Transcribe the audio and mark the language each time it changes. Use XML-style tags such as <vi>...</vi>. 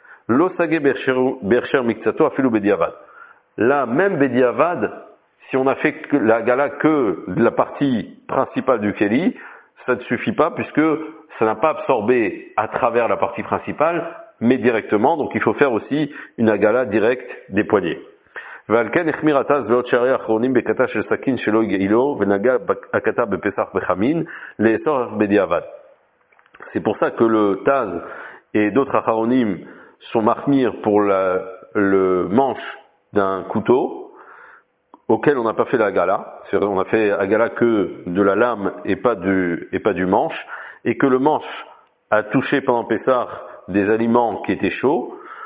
<he>L'osage bercher miktzato afilu bediavad.</he> <fr>Là, même bediavad, si on a fait la gala que de la partie principale du keli, ça ne suffit pas puisque ça n'a pas absorbé à travers la partie principale, mais directement. Donc il faut faire aussi une gala directe des poignets.</fr> <he>ועלכן החמיר התז ועוד שערי האחרונים בקטע של סכין שלא יגעילו ונגע הקטע בפסח בחמין לאסור בדיעבד.</he> <fr>C'est pour ça que le Taz et d'autres acharonim sont marmir pour le manche d'un couteau auquel on n'a pas fait la gala. C'est vrai, on a fait la gala que de la lame et pas du manche, et que le manche a touché pendant Pessah des aliments qui étaient chauds.</fr>